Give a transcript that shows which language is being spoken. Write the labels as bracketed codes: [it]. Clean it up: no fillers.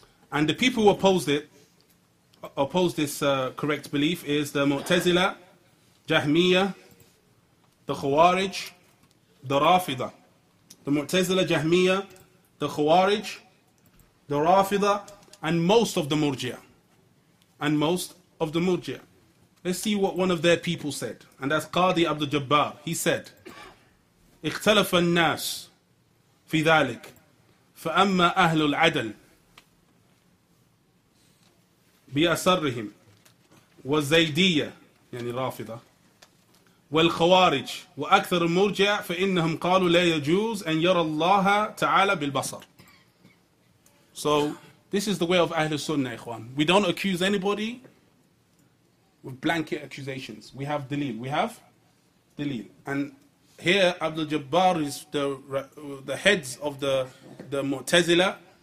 [en] And the people who oppose this correct belief is the Mu'tazila, Jahmiya, the Khawarij, the Rafida. The Mu'tazila, Jahmiya, the Khawarij, the Rafida, and most of the Murji'ah. And most of the Murji'ah. Let's see what one of their people said. And that's Qadi Abdul Jabbar. He said, [ar] اِخْتَلَفَ النَّاسِ فِي ذَلِكِ فَأَمَّا أَهْلُ الْعَدَلِ بِأَسَرِّهِمْ وَالزَّيْدِيَّةِ يعني رافضة والخوارج وأكثر المرجع فإنهم قالوا لا يجوز أن يرى الله تعالى بالبصر. [en] So this is the way of Ahl Sunnah, Ikhwan. We don't accuse anybody with blanket accusations. We have Dalil. We have Dalil. And here, Abdul Jabbar is the heads of the Mu'tazila.